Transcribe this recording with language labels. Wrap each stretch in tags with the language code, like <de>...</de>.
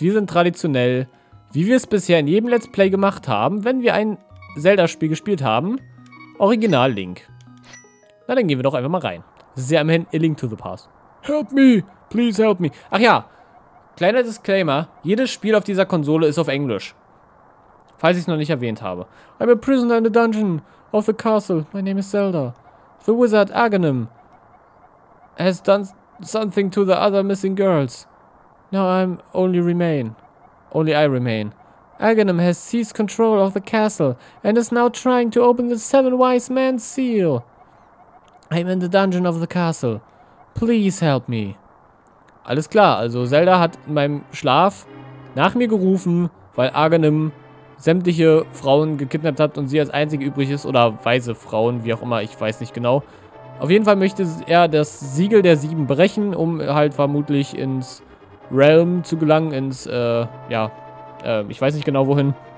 <de>Wir sind traditionell, wie wir es bisher in jedem Let's Play gemacht haben, wenn wir ein Zelda-Spiel gespielt haben, Original Link. Na, dann gehen wir doch einfach mal rein. Sehr am Ende, A Link to the Past.</de> <en>Help me, please help me.</en> <de>Ach ja. Kleiner Disclaimer, jedes Spiel auf dieser Konsole ist auf Englisch. Falls ich es noch nicht erwähnt habe.</de> <en>I'm a prisoner in the dungeon of the castle. My name is Zelda. The wizard Aghanim has done something to the other missing girls. Now I'm only I remain. Aghanim has seized control of the castle and is now trying to open the seven wise men's seal. I'm in the dungeon of the castle. Please help me.</en> <de>Alles klar, also Zelda hat in meinem Schlaf nach mir gerufen, weil Aghanim sämtliche Frauen gekidnappt hat und sie als einzige übrig ist, oder weise Frauen, wie auch immer, ich weiß nicht genau. Auf jeden Fall möchte er das Siegel der Sieben brechen, um halt vermutlich ins Realm zu gelangen, ins, ich weiß nicht genau wohin.</de>